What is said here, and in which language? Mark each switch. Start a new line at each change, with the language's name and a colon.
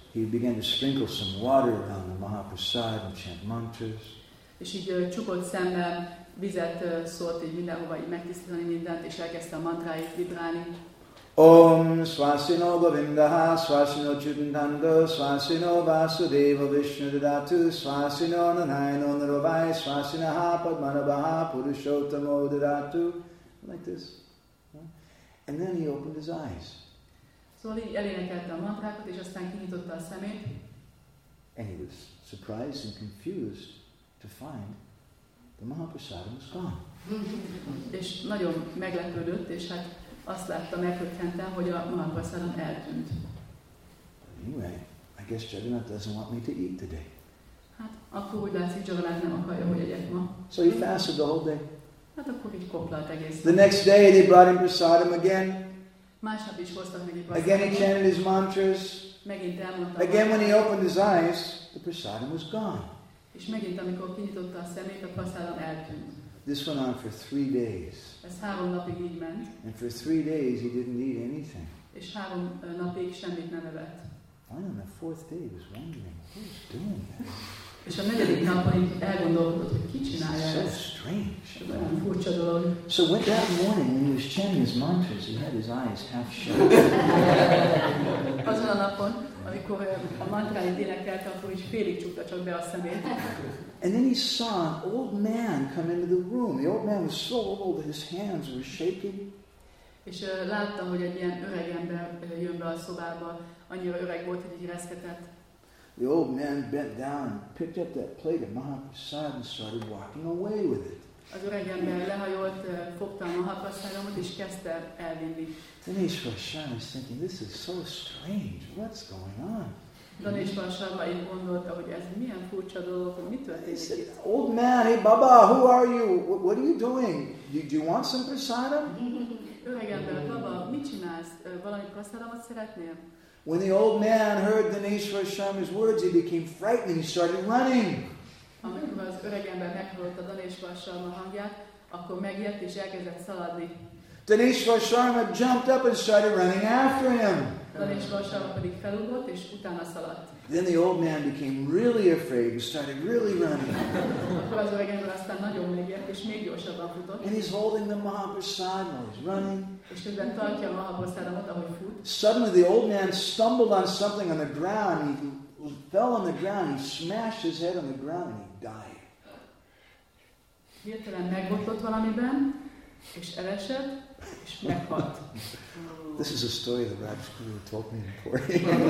English: He began to sprinkle some water on the Mahaprasad and chant mantras.
Hungarian: És így csukott szemmel vizet szólt, hogy mindenhova így megtisztítani mindent, és elkezdte a mantráit vibrálni.
Sanskrit: Om Swasino Govindaha Swasino Chudindanda Swasino Vasudeva Vishnu Dadatu Swasino Nanayano Naravai Swasinaha Padmanabaha Purushottamo Dadatu.
English: Like this. And then he opened his eyes.
Hungarian: Szóval így elénekelte a mantrákat, és aztán kinyitotta a szemét.
English: And he was surprised and confused to find the Mahaprasadam was gone.
Hungarian: És nagyon meglepődött, és hát azt látta meglepődtem, hogy a Mahaprasadam eltűnt.
English: Anyway, I guess Jagannath doesn't want me to eat today.
Hungarian: Hát akkor úgy látszik, Jagannath nem akarja, hogy egyek ma.
English: So he fasted the whole day.
Hungarian: Hát akkor így koplalt egész.
English: The next day they brought him prasadam again.
Hungarian: Másnap is hoztak meg egy
English: prasadam. Again he chanted his mantras. Again, when he opened his eyes, the prasadam was gone.
Hungarian: És megint, amikor kinyitotta a szemét, a prasadam eltűnt.
English: This went on for 3 days.
Hungarian: Ez 3 napig így ment.
English: And for 3 days he didn't eat anything.
Hungarian: És 3 napig semmit nem evett.
English: And on the 4th day he was wondering, who's doing this?
Hungarian: És a 4. napon elgondolkodott, hogy ki csinálja ezt.
English: So strange.
Hungarian: Olyan furcsa dolog.
English: So when that morning when he was chanting his mantras, he had his eyes half shut.
Hungarian: Azon a napon, amikor a mantráit énekelt, akkor is félig csukta csak be a szemét.
English: And then he saw an old man come into the room. The old man was so old that his hands were shaking.
Hungarian: És látta, hogy egy ilyen öreg ember jön be a szobába. Annyira öreg volt, hogy így reszketett.
English: The old man bent down and picked up that plate of Mahaprasad and started walking away with it.
Hungarian: Az öreg ember lehajolt, fogta a Mahaprasadamot és kezdte elvinni.
English: Dhaneshwar Sharma is thinking, this is so strange. What's going on?
Hungarian: Dhaneshwar Sharma így gondolta, hogy ez milyen furcsa dolog, hogy mit történik itt.
English: He said, old man, hey Baba, who are you? What are you doing? Do you want some prasadam?
Hungarian: Öreg ember, Baba, mit csinálsz? Valami prasadamot szeretnél?
English: When the old man heard Dhaneshwar Sharma's words, he became frightened and he started running.
Hungarian: Amikor az öreg ember meghallotta Dhaneshwar Sharma hangját, akkor megijedt és elkezdett szaladni.
English: Dhaneshwar Sharma jumped up and started running after him.
Hungarian: Dhaneshwar Sharma pedig felugrott és utána szaladt.
English: Then the old man became really afraid and started really running.
Hungarian: Akkor az öreg ember aztán nagyon megijedt és még gyorsabban futott.
English: And he's holding the Mahaprasad while he's running.
Hungarian: És közben tartja a Mahaprasadamot, ahogy fut.
English: Suddenly the old man stumbled on something on the ground. He fell on the ground. He smashed his head on the ground and he died.
Hungarian: Hirtelen megbotlott valamiben, és elesett, és meghalt.
English: This is a story that Rajguru told me in Puri.